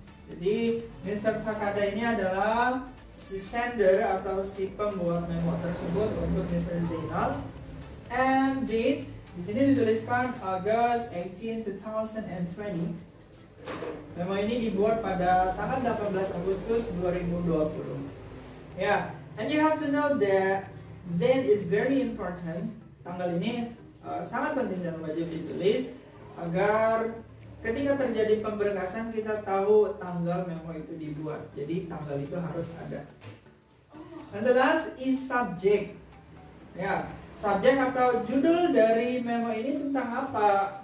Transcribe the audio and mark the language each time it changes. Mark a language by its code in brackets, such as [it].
[id] Jadi Mr. Takada ini adalah si sender atau si pembuat memo tersebut untuk Mr. Zainal. [en] And date [id] di sini dituliskan [en] August 18, 2020. [id] Memo ini dibuat pada tanggal 18 Agustus 2020. Ya. [en] And you have to know that date is very important. [id] Tanggal ini sangat penting dan wajib ditulis agar ketika terjadi pemberkasan kita tahu tanggal memo itu dibuat. Jadi tanggal itu harus ada. [en] And the last is subject. [id] Ya, subject atau judul dari memo ini tentang apa?